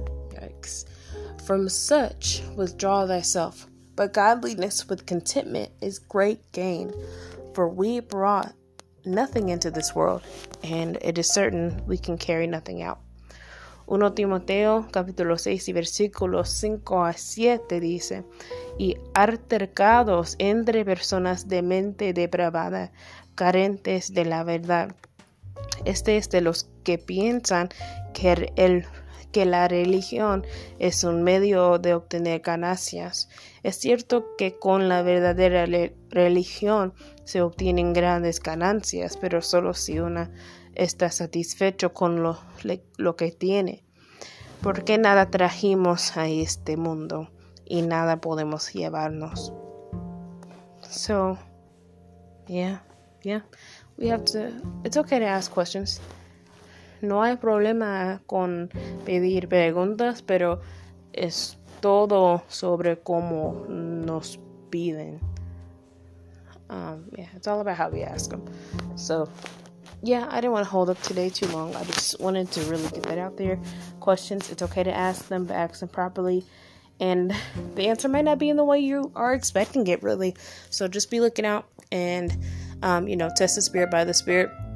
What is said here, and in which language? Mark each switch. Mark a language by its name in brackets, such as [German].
[English] Yikes. From such withdraw thyself, but godliness with contentment is great gain. For we brought nothing into this world, and it is certain we can carry nothing out. [Spanish] 1 Timoteo capítulo 6 y versículos 5 a 7 dice: y altercados entre personas de mente depravada, carentes de la verdad. Este es de los que piensan que la religión es un medio de obtener ganancias. Es cierto que con la verdadera religión se obtienen grandes ganancias, pero solo si uno está satisfecho con lo que tiene. Porque nada trajimos a este mundo y nada podemos llevarnos. [English] So, yeah. It's okay to ask questions. [Spanish] No hay problema con pedir preguntas, pero es todo sobre cómo nos piden. [English] It's all about how we ask them. So, yeah, I didn't want to hold up today too long. I just wanted to really get that out there. Questions, it's okay to ask them, but ask them properly. And the answer might not be in the way you are expecting it, really. So just be looking out and, test the spirit by the spirit.